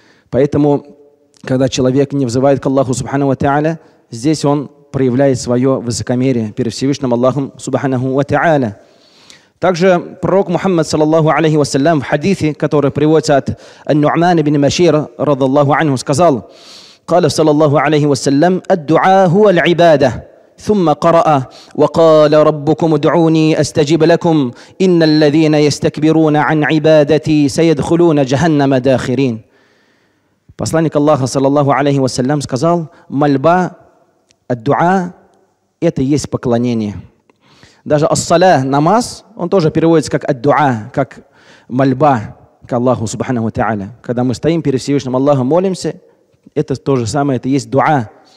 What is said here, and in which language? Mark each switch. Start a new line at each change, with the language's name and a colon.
Russian: Поэтому, когда человек не взывает к Аллаху Субхану ва Та'аля, здесь он проявляет свое высокомерие перед Всевышним Аллахом Субхану ва Та'аля. Также пророк Мухаммад, саллаллаху алейхи ва саллям, в хадисе, который приводится от Ан-Нуъмана бин Машира, радиаллаху анху, сказал, «Каля, саллаллаху алейхи ва саллям,
Arabic: ад-дуа хуа л-ибада». ثم قرأ وقال ربكم ادعوني استجب لكم إن الذين يستكبرون عن عبادتي سيدخلون جهنم داخرين.
Russian: Посланник Аллаха, саллаллаху алейхи ва саллям, сказал, мольба, аддуа, это есть поклонение. Даже ас-сала, намаз, он тоже переводится как аддуа, как мольба к Аллаху, субханаху ва та'аля. Когда мы стоим перед Всевышним Аллахом, молимся, это то же самое, это есть дуа.